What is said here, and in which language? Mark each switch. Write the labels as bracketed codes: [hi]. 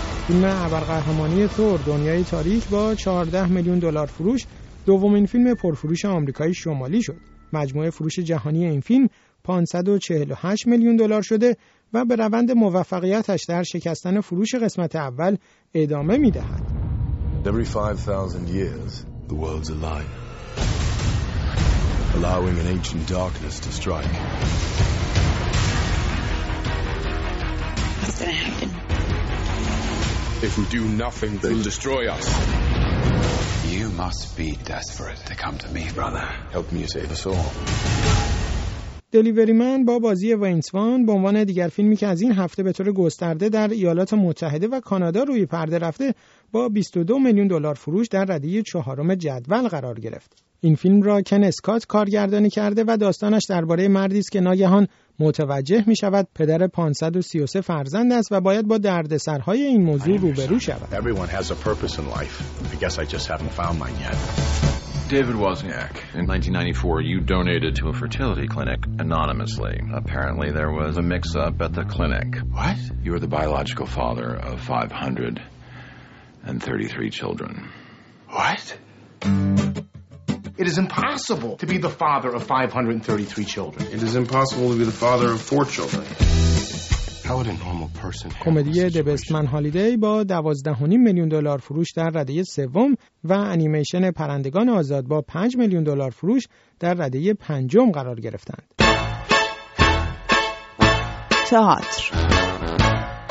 [fa] فیلم ابرقهرمانی تور دنیای تاریک با 14 میلیون دلار فروش دومین فیلم پرفروش آمریکایی شمالی شد. مجموع فروش جهانی این فیلم 548 میلیون دلار شده و به روند موفقیتش در شکستن فروش قسمت اول ادامه می‌دهد. [en] Every 5000 years the world's alive. Allowing an ancient darkness to strike. What's gonna happen? If we do nothing, they'll destroy us. You must be desperate to come to me, brother. Help me save us all. [fa] دلیوری من با بازی وینس وان به عنوان دیگر فیلمی که از این هفته به طور گسترده در ایالات متحده و کانادا روی پرده رفته با 22 میلیون دلار فروش در رده چهارم جدول قرار گرفت. این فیلم را کن اسکات کارگردانی کرده و داستانش درباره مردی است که ناگهان متوجه می شود پدر 533 فرزند است و باید با دردسرهای این موضوع روبرو شود. [en] Everyone has a purpose in life. I guess I just haven't found mine yet. David Wozniak. In 1994, you donated to a fertility clinic anonymously. Apparently, there was a mix-up at the clinic. What? You are the biological father of 533 children. What? It is impossible to be the father of 533 children. It is impossible to be the father of 4 children. How would a normal person? [fa] کمدی The Best Man Holiday با 12.5 میلیون دلار فروش در رده سوم و انیمیشن پرندگان آزاد با 5 میلیون دلار فروش در رده پنجم قرار گرفتند. تئاتر.